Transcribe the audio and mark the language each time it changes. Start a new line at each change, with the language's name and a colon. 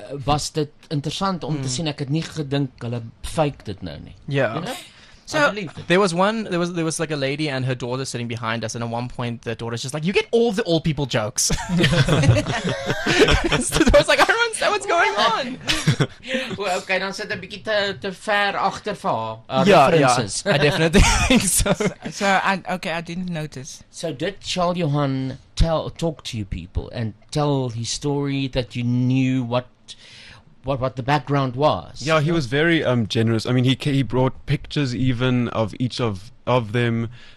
Afrikaans: Was dit interessant om te sien, ek het nie gedink hulle fake dit nou nie.
English: Yeah. So there was like a lady and her daughter sitting behind us, and at one point the daughter's just like, you get all the old people jokes. So I was like, I don't understand what's going on. Well, okay,
Afrikaans: dan sit 'n bietjie te ver agter vir haar.
English: I definitely think so. So I didn't notice. So did Charles Johan talk to you people and tell his story that you knew what the background was? Yeah, he was very generous. I mean, he brought pictures even of each of them.